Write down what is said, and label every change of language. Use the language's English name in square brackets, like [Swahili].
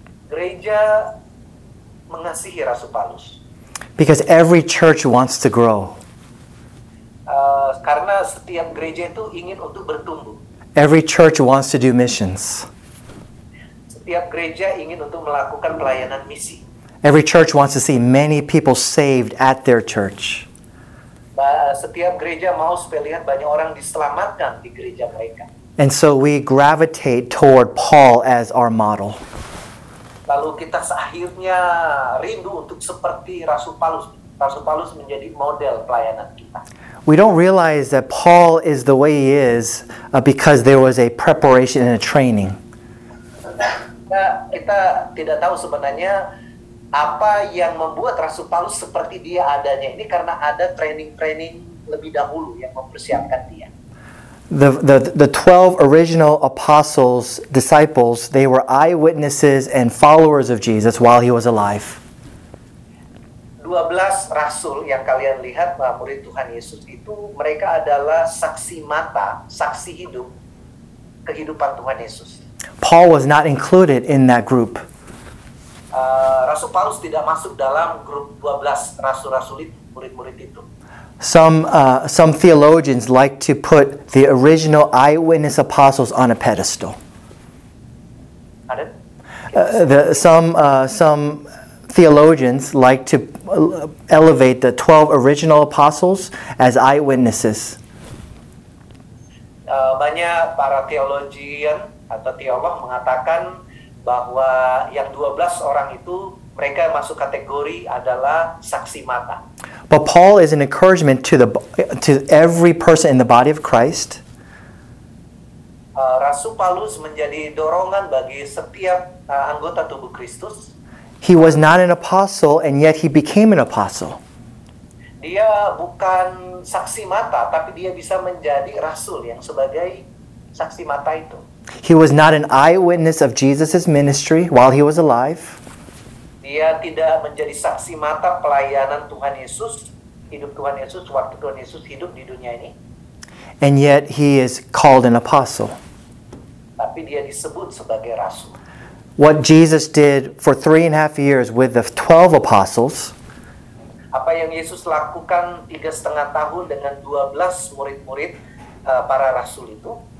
[Indonesian] Gereja mengasihi Rasul Paulus. [English] Because every church wants to grow. [Indonesian] Karena setiap gereja itu ingin untuk bertumbuh. [English] Every church wants to do missions. [Indonesian] Setiap gereja ingin untuk melakukan pelayanan misi. [English] Every church wants to see many people saved at their church. [Indonesian] Setiap gereja mau supaya lihat banyak orang diselamatkan di gereja mereka. [English] And so we gravitate toward Paul as our model. [Indonesian] Lalu kita akhirnya rindu untuk seperti Rasul Paulus. Rasul Paulus menjadi model pelayanan kita. [English] We don't realize that Paul is the way he is because there was a preparation and a training. [Indonesian] kita tidak tahu sebenarnya apa yang membuat Rasul Paulus seperti dia adanya. Ini karena ada training-training lebih dahulu yang mempersiapkan dia. [English] The 12 original apostles, disciples, they were eyewitnesses and followers of Jesus while he was alive. [Indonesian] 12 rasul yang kalian lihat, murid Tuhan Yesus, itu mereka adalah saksi mata, saksi hidup kehidupan Tuhan Yesus. [English] Paul was not included in that group. [Indonesian] Rasul Paulus tidak masuk dalam grup 12 rasul-rasul itu, murid-murid itu. [English] Some theologians like to put the original eyewitness apostles on a pedestal. Some theologians like to elevate the 12 original apostles as eyewitnesses. [Indonesian] Banyak para teologian atau teolog mengatakan bahwa yang 12 orang itu mereka masuk kategori adalah saksi mata. [English] But Paul is an encouragement to every person in the body of Christ. [Indonesian] Rasul Paulus menjadi dorongan bagi setiap anggota tubuh Kristus. [English] He was not an apostle and yet he became an apostle. [Indonesian] Dia bukan saksi mata, tapi dia bisa menjadi rasul yang sebagai saksi mata itu. [English] He was not an eyewitness of Jesus's ministry while he was alive. [Indonesian] Dia tidak menjadi saksi mata pelayanan Tuhan Yesus, hidup Tuhan Yesus, waktu Tuhan Yesus hidup di dunia ini. [English] And yet he is called an apostle. [Indonesian] Tapi dia disebut sebagai rasul. [English] What Jesus did for 3.5 years with the 12 apostles. [Indonesian] Apa yang Yesus lakukan 3.5 tahun dengan 12 murid-murid para rasul itu.